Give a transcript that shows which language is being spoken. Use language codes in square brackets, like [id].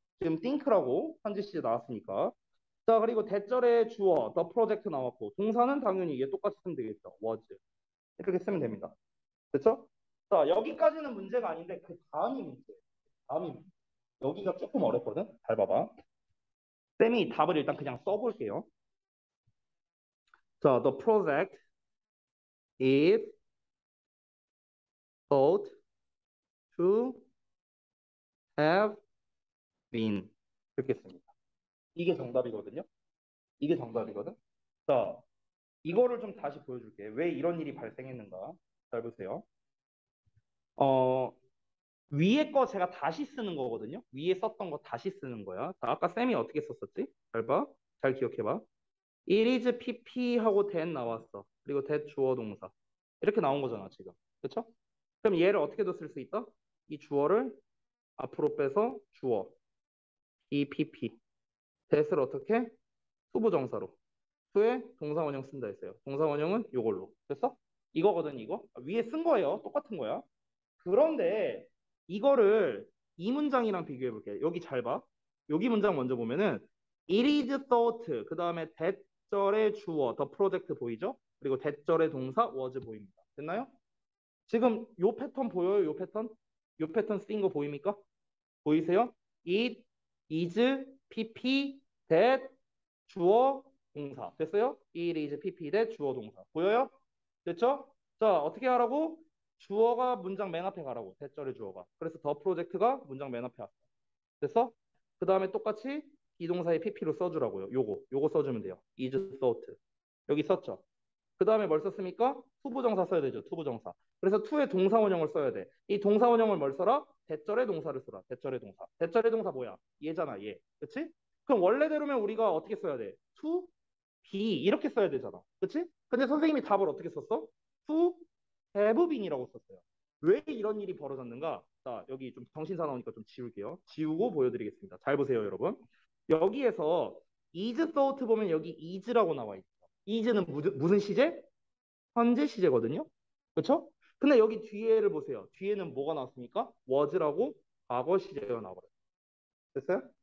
[ko] 지금 think라고 현재 시제 나왔으니까. 자, 그리고 대절의 주어 the project 나왔고 동사는 당연히 이게 똑같이 쓰면 되겠죠. was. 이렇게 쓰면 됩니다. 그렇죠? 자, 여기까지는 문제가 아닌데 그 다음이 문제예요. 다음이 여기가 조금 어렵거든? 잘 봐봐. 쌤이 답을 일단 그냥 써볼게요. [en] 자, the project is thought to have been. [ko] 이렇게 씁니다. 이게 정답이거든요? 이게 정답이거든? 자, 이거를 좀 다시 보여줄게. 왜 이런 일이 발생했는가? 잘 보세요. 위에 거 제가 다시 쓰는 거거든요. 위에 썼던 거 다시 쓰는 거야. 자, 아까 쌤이 어떻게 썼었지? 잘 봐. 잘 기억해봐. [en] It is PP [ko] 하고 [en] that [ko] 나왔어. 그리고 that 주어 동사. 이렇게 나온 거잖아, 지금. 그쵸? 그럼 얘를 어떻게도 쓸수 있다? 이 주어를 앞으로 빼서 주어. EPP. that을 어떻게? 수부 정사로. 후에 동사원형 쓴다 했어요. 동사원형은 이걸로. 됐어? 이거거든 이거. 위에 쓴 거예요. 똑같은 거야. 그런데 이거를 이 문장이랑 비교해 볼게요. 여기 잘 봐. 여기 문장 먼저 보면은 [en] it is thought [ko] 그 다음에 that절의 주어 the project 보이죠? 그리고 that절의 동사 was 보입니다. 됐나요? 지금 요 패턴 보여요? 요 패턴? 요 패턴 쓰인 거 보입니까? 보이세요? [en] it is PP that [ko] 주어 동사. 됐어요? [en] It is PP [ko] 대 주어 동사. 보여요? 됐죠? 자, 어떻게 하라고? 주어가 문장 맨 앞에 가라고. 대절의 주어가. 그래서 더 프로젝트가 문장 맨 앞에 왔어. 됐어? 그 다음에 똑같이 이 동사의 PP로 써주라고요. 요거 써주면 돼요. is thought. 여기 썼죠? 그 다음에 뭘 썼습니까? 투부정사 써야 되죠. 투부정사. 그래서 투에 동사원형을 써야 돼. 이 동사원형을 뭘 써라? 대절의 동사를 써라. 대절의 동사. 대절의 동사 뭐야? 얘잖아, 얘. 그치? 그럼 원래대로면 우리가 어떻게 써야 돼? to be 이렇게 써야 되잖아. 그치? 근데 선생님이 답을 어떻게 썼어? to have been이라고 썼어요. 왜 이런 일이 벌어졌는가? 자, 여기 좀 정신 사나우니까 좀 지울게요. 지우고 보여드리겠습니다. 잘 보세요, 여러분. 여기에서 is thought 보면 여기 is라고 나와 있죠. is는 무슨 시제? 현재 시제거든요. 그쵸? 근데 여기 뒤에를 보세요. 뒤에는 뭐가 나왔습니까? was라고 과거 시제가 나와버려요. 됐어요?